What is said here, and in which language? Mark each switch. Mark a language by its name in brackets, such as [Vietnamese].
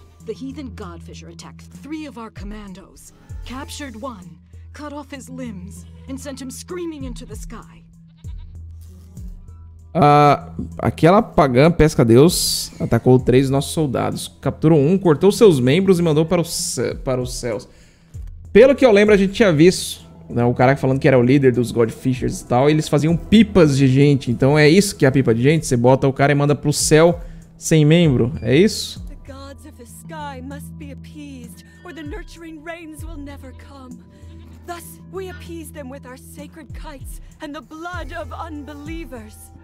[English] The heathen Godfisher attacked three of our commandos, captured one, cut off his limbs, and sent him screaming into the sky. [Portuguese] Aquela pagã pesca deus atacou três nossos soldados, capturou um, cortou seus membros e mandou para os céus. Pelo que eu lembro, a gente tinha visto, né, o cara falando que era o líder dos Godfishers e tal, e eles faziam pipas de gente. Então é isso que é a pipa de gente? Você bota o cara e manda pro céu sem membro, é isso? [English] Must be appeased, or the nurturing rains will never come. Thus, we appease them with our sacred kites and the blood of unbelievers.